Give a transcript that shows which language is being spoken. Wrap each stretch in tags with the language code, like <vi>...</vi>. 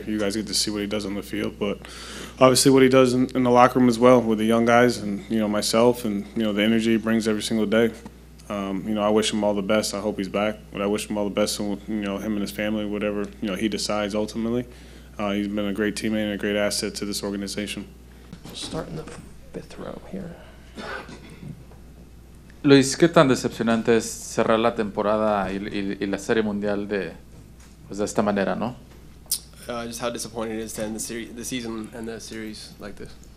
<en>You guys get to see what he does on the field, but obviously what he does in the locker room as well with the young guys and, you know, myself and, you know, the energy he brings every single day. You know, I wish him all the best. I hope he's back, but I wish him all the best, and, you know, him and his family, whatever, you know, he decides ultimately. He's been a great teammate and a great asset to this organization. Starting the fifth row here.</en> <es>Luis, ¿qué tan decepcionante es cerrar la temporada y la Serie Mundial de esta manera, no?</es> <en>Just how disappointing it is to end the season and the series like this.</en>